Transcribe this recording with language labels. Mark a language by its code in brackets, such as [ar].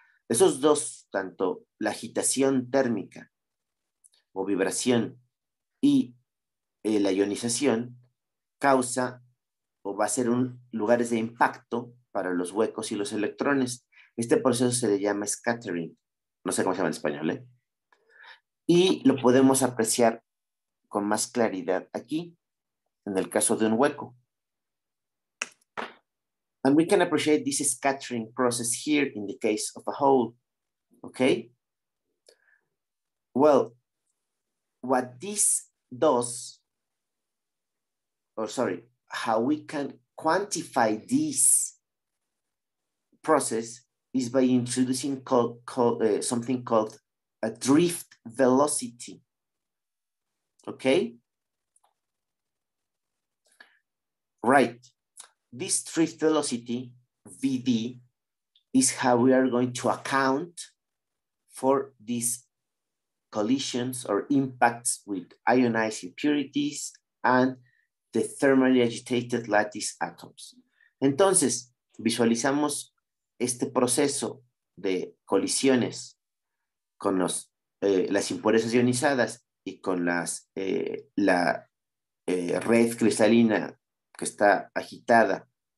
[es] Esos dos, tanto la agitación térmica o vibración y la ionización, causa o va a ser un lugares de impacto para los huecos y los electrones. Este proceso se le llama scattering. No sé cómo se llama en español, ¿eh? Y lo podemos apreciar con más claridad aquí, en el caso de un hueco. [en] And we can appreciate this scattering process here in the case of a hole, okay? Well, what this does, or sorry, how we can quantify this process is by introducing something called a drift velocity. Okay? Right. This drift velocity, VD, is how we are going to account for these collisions or impacts with ionized impurities and the thermally agitated lattice atoms. [es] Entonces, visualizamos este proceso de colisiones con las impurezas ionizadas y con red cristalina que está agitada.